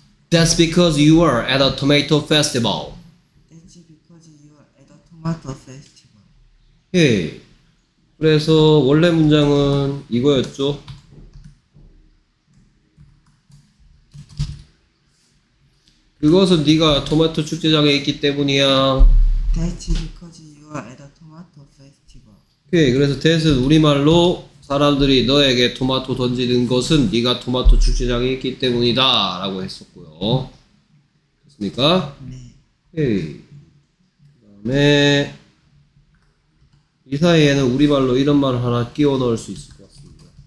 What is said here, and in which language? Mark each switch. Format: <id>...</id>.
<en>That's because you are at a tomato festival. That's because you are at a tomato festival.</en> <ko>Hey, 그래서 원래 문장은 이거였죠? 그것은 네가 토마토 축제장에 있기 때문이야.</ko> <en>That's because you are at a tomato festival.</en> <ko>오케이. 그래서 that은 우리말로 사람들이 너에게 토마토 던지는 것은 네가 토마토 축제장에 있기 때문이다 라고 했었고요. 됐습니까? 네. 오케이. 그 다음에 이 사이에는 우리말로 이런 말 하나 끼워 넣을 수 있을 것 같습니다.</ko>